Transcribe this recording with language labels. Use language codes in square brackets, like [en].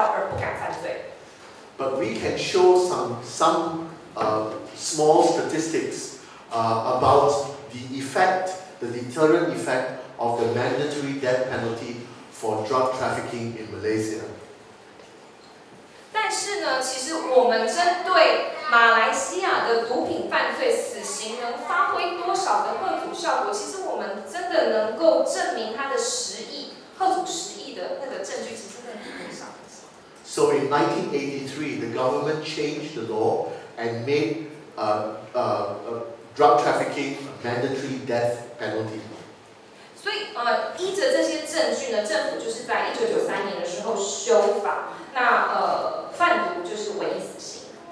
[en] can show some small statistics about the effect, the deterrent effect of the mandatory death penalty for drug trafficking in Malaysia. [zh] 但是呢，其实我们针对马来西亚的毒品犯罪死刑能发挥多少的吓阻效果，其实我们真的能够证明它的实益，吓阻实益的那个证据其实真的很少。 [en] So in 1983, the government changed the law and made drug trafficking mandatory death penalty. [zh] 所以依着这些证据呢，政府就是在1993年的时候修法，那贩毒就是唯一死刑。